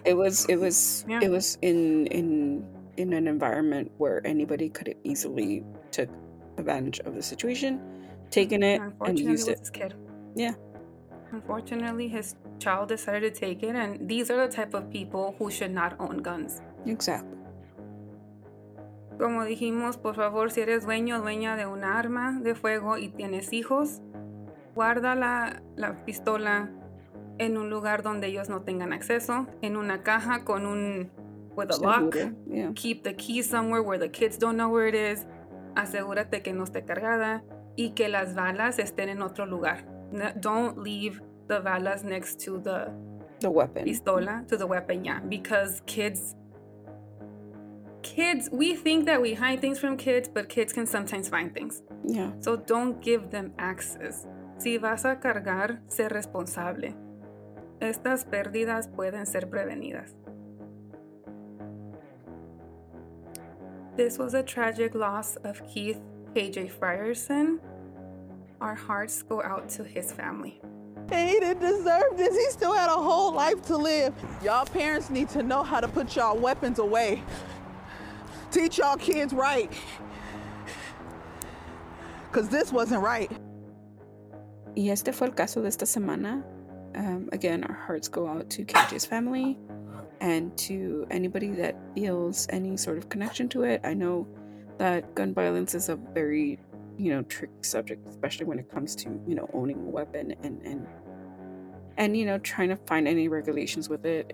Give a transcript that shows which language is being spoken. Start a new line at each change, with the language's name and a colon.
English: It was in an environment where anybody could have easily took advantage of the situation, taken it, and used it. His kid. Yeah. Unfortunately, his child decided to take it, and these are the type of people who should not own guns. Exactly.
Spanish: Como dijimos, por favor, si eres dueño o dueña de un arma de fuego y tienes hijos, guarda la pistola en un lugar donde ellos no tengan acceso, en una caja con un...
English: with a lock. Yeah. Keep the key somewhere where the kids don't know where it is.
Spanish: Asegúrate que no esté cargada y que las balas estén en otro lugar.
English: Don't leave the balas next to the weapon. Pistola to the weapon, yeah. Because kids, we think that we hide things from kids, but kids can sometimes find things. Yeah. So don't give them access.
Spanish: Si vas a cargar, sé responsable. Estas pérdidas pueden ser prevenidas.
English: This was a tragic loss of Keith KJ Frierson. Our hearts go out to his family. And he didn't deserve this. He still had a whole life to live. Y'all parents need to know how to put y'all weapons away. Teach y'all kids right. Cause this wasn't right.
Spanish: Y este fue el caso de esta semana.
English: Again, our hearts go out to KJ's family. And to anybody that feels any sort of connection to it, I know that gun violence is a very, you know, tricky subject, especially when it comes to, you know, owning a weapon and you know, trying to find any regulations with it.